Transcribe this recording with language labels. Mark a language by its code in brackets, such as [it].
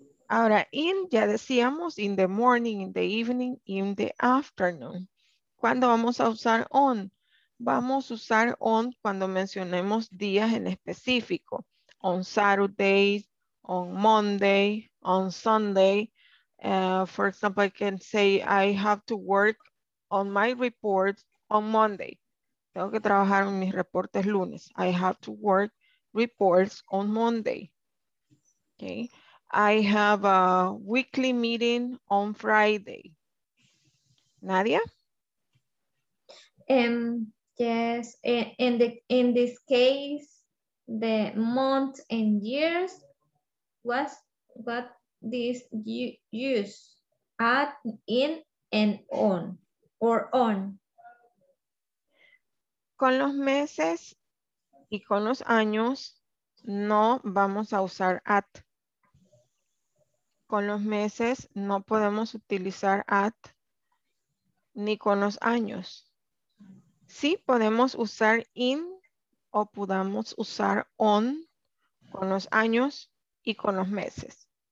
[es] Ahora, [en] in, [es] ya decíamos, [en] in the morning, in the evening, in the afternoon. [es] ¿Cuándo vamos a usar on? Vamos a usar on cuando mencionemos días en específico. [en] On Saturday, on Monday, on Sunday. For example, I can say I have to work on my report on Monday. [es] Tengo que trabajar en mis reportes lunes. [en] I have to work reports on Monday. Okay. I have a weekly meeting on Friday. Nadia? Yes, in this case, the month and years, what this you use at, in, and on, or on? [es] Con los meses y con los años, no vamos a usar at. Con los meses no podemos utilizar at ni con los años. Sí podemos usar in o podamos usar on con los años y con los meses.